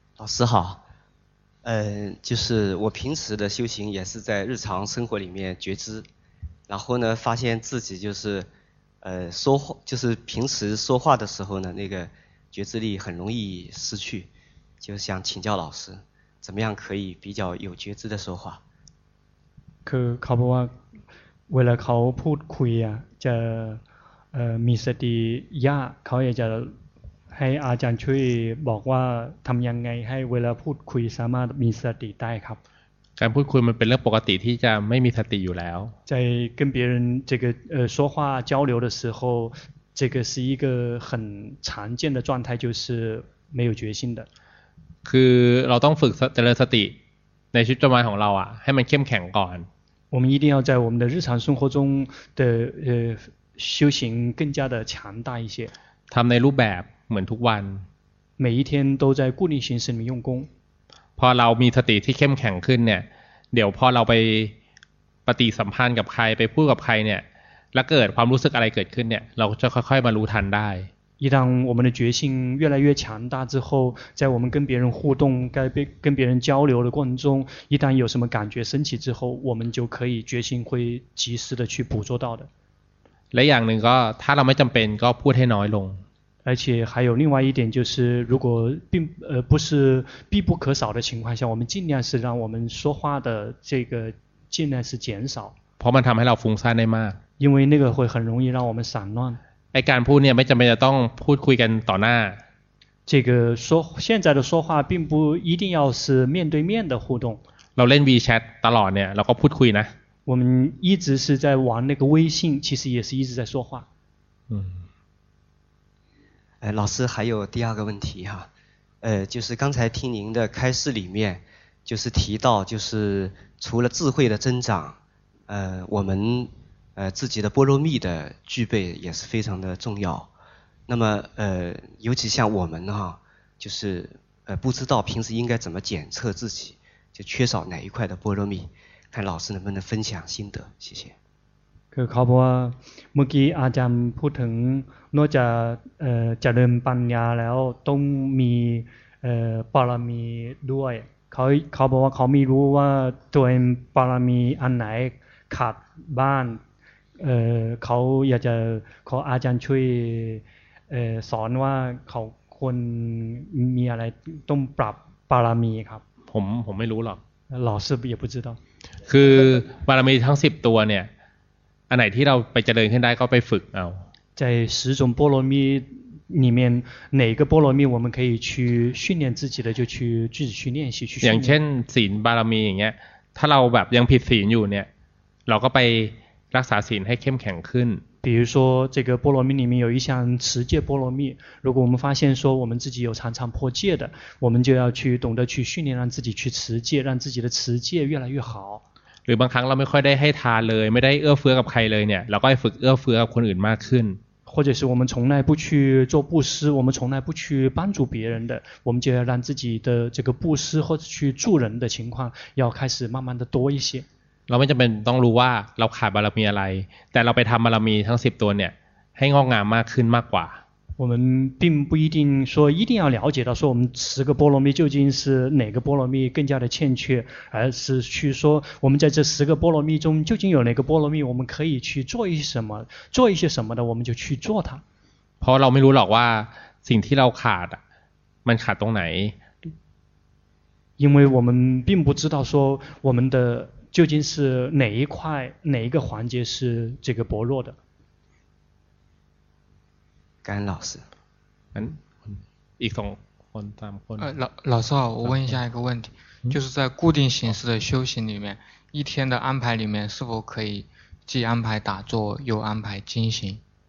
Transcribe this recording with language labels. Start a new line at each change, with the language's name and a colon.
Chinese: 老师好，就是我平时的修行也是在日常生活里面觉知，然后呢，发现自己就是说话，就是平时说话的时候呢，那个觉知力很容易失去，就想请教老师。怎么样可以比较有觉知的说话
Thai: คือเขาบอกว่าเวลาเขาพูดคุยอ่ะจะ มีสติยากเขาอยากจะให้อาจารย์ช่วยบอกว่าทำยังไงให้เวลาพูดคุยสามารถมีสติได้ครับ การพูดคุยมันเป็นเรื่องปกติที่จะไม่มีสติอยู่แล้ว ใน
Chinese: 跟别人这个说话交流的时候这个是一个很常见的状态就是没有决心的
Thai: คือเราต้องฝึกเจริญสติในชีวิตประจำวันของเราอ่ะให้มันเข้มแข็งก่อน
Chinese: 我们一定要在我们的日常生活中的修行更加的强大一些
Thai: ทำในรูปแบบเหมือนทุกวัน
Chinese: 每一天都在固定形式里面用功
Thai: พอเรามีสติที่เข้มแข็งขึ้นเนี่ยเดี๋ยวพอเราไปปฏิสัมพันธ์กับใครไปพูดกับใครเนี่ยแล้วเกิดความรู้สึกอะไรเกิดขึ้นเนี่ยเราจะค่อยๆมารู้ทันได้
Chinese: 一旦我们的决心越来越强大之后在我们跟别人互动跟别人交流的过程中一旦有什么感觉升起之后我们就可以决心会及时的去捕捉到的
Thai: และอย่างหนึ่งก็ถ้าเราไม่จำเป็นก็พูดให้น้อยลง
Chinese: 而且还有另外一点就是如果并不是必不可少的情况下我们尽量是让我们说话的这个尽量是减少
Thai: เพราะมันทำให้เราฟุ้งซ่านได้มาก
Chinese: 因为那个会很容易让我们散乱
Thai: ไอ้การพูดเนี่ยไม่จำเป็นจะต้องพูดคุยกันต่อหน้า
Chinese: 这个说现在的说话并不一定要是面对面的互动
Thai: เราเล่น WeChat ตลอดเนี่ยเราก็พูดคุยนะ
Chinese: 我们一直是在玩那个微信其实也是一直在说话老师还有第二个问题哈就是刚才听您的开示里面就是提到就是除了智慧的增长我们自己的波罗蜜的具备也是非常的重要那么尤其像我们哈就是不知道平时应该怎么检测自己就缺少哪一块的波罗蜜看老师能不能分享心得谢谢
Thai: คือเขาบอกว่าเมื่อกี้อาจารย์พูดถึงนอกจากจะเริ่มปัญญาแล้วต้องมีปารมีด้วยเขาบอกว่าเขาไม่รู้ว่าตัวเองปารมีอันไหนขาดบ้านเขาอยากจะขออาจารย์ช่วยสอนว่าเขาควรมีอะไรต้องปรับปารมีครับ ผมไม่รู้หรอก
Chinese: 老师也不知道
Thai: คือปารมีทั้ง10ตัวเนี่ยอันไหนที่เราไปเจริญขึ้นได้ก็ไปฝึกเอา
Chinese: 在十种波罗蜜里面哪个波罗蜜我们可以去训练自己的就去自己去练习去
Thai: อย่างเช่นศีลบารมีอย่างเงี้ยถ้าเราแบบยังผิดศีลอยู่เนี่ยเราก็ไปรักษาศีลให้เข้มแข็งขึ้น
Chinese: 比如说这个波罗蜜里面有一项持戒波罗蜜如果我们发现说我们自己有常常破戒的我们就要去懂得去训练让自己去持戒让自己的持戒越来越好
Thai: หรือบางครั้งเราไม่ค่อยได้ให้ทานเลยไม่ได้เอื้อเฟื้อกับใครเลยเนี่ยเราก็ฝึกเอื้อเฟื้อกับคนอื่นมากขึ้น
Chinese: 或者是我们从来不去做布施我们从来不去帮助别人的我们就要让自己的这个布施或者去助人的情况要开始慢慢的多一些
Thai: เราไม่จำเป็นต้องรู้ว่าเราขาดบารมีอะไรแต่เราไปทำบารมีทั้ง10ตัวเนี่ยให้งอกงามมากขึ้นมากกว่า
Chinese: 我们并不一定说一定要了解到说我们十个波罗蜜究竟是哪个波罗蜜更加的欠缺而是去说我们在这十个波罗蜜中究竟有哪个波罗蜜我们可以去做一些什么做一些什么的我们就去做它
Thai: เพราะเราไม่รู้หรอกว่าสิ่งที่เราขาดมันขาดตรงไหน
Chinese: 因为我们并不知道说我们的究竟是哪一块哪一个环节是这个薄弱的感恩老师嗯一种混蛋混蛋老师好我问一下一个问题就是在固定形式的修行里面一天的安排里面是否可以既安排打坐又安排精行